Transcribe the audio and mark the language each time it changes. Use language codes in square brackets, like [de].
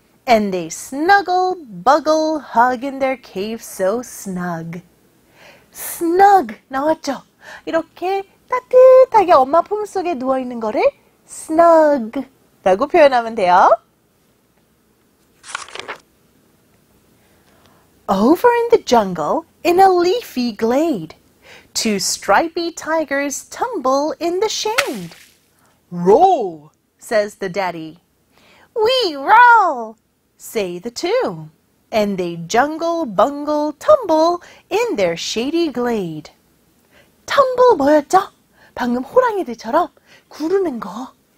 [en] And they snuggle, buggle, hug in their cave so snug. [ko] Snug, 나왔죠? 이렇게 따뜻하게 엄마 품 속에 누워있는 거를 snug 라고 표현하면 돼요. [en] Over in the jungle, in a leafy glade, two stripy tigers tumble in the shade. Roll, says the daddy. We roll, say the two, and they jungle, bungle, tumble in their shady glade. [ko] Tumble 뭐였죠? 방금 호랑이들처럼 구르는 거.